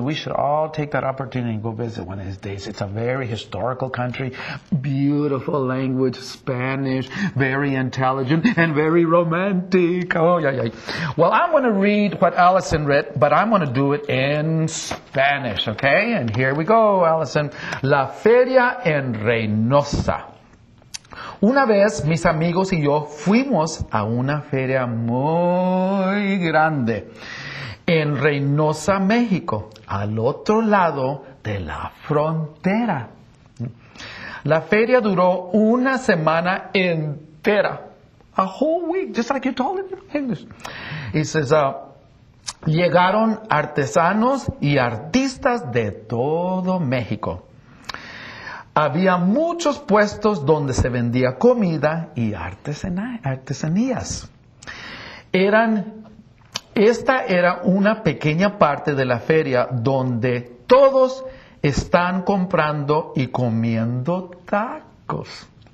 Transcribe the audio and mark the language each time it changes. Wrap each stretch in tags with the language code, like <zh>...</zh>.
<en>We should all take that opportunity and go visit one of these days. It's a very historical country, beautiful language, Spanish, very intelligent and very romantic. Oh, yeah, yeah. Well, I'm going to read what Allison read, but I'm going to do it in Spanish, okay? And here we go, Allison. La Feria en Reynosa.</en> <es>Una vez, mis amigos y yo fuimos a una feria muy grande en Reynosa, México, al otro lado de la frontera. La feria duró una semana entera.</es> <en>A whole week, just like you told in English. It says,</en> <es>llegaron artesanos y artistas de todo México. Había muchos puestos donde se vendía comida y artesanías. Esta era una pequeña parte de la feria donde todos están comprando y comiendo tacos.</es>